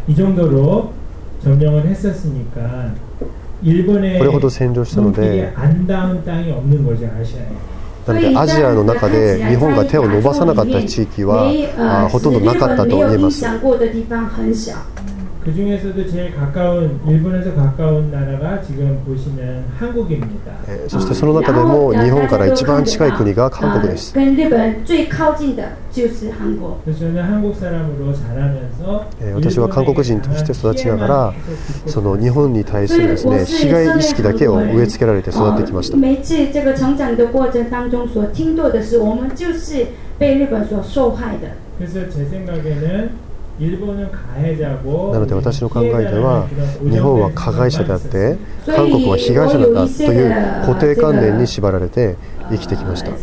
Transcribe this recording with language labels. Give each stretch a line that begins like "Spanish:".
Japanese: これほど占領したので、なのでアジアの中で日本が手を伸ばさなかった地域はほとんどなかったと言えます。
Korean: 그중에서도제일가까운일본에서가까운나라가지금보시는한국입니다
Japanese: そしてその中でも日本から一番近い国が韓国です
Chinese: 跟日本最靠近的就是韩国
Korean: 그래서저는한국사람으로자라면서
Japanese: 私は韓国人として育ちながらその日本に対するですね被害意識だけを植え付けられて育ってきました
Chinese: 每次这个成长的过程当中所听到的是我们就是被日本所受害的
Korean: 그래서제생각에는
Japanese: なので私の考えでは日本は加害者であって韓国は被害者だという固定観念に縛られて生きてきました。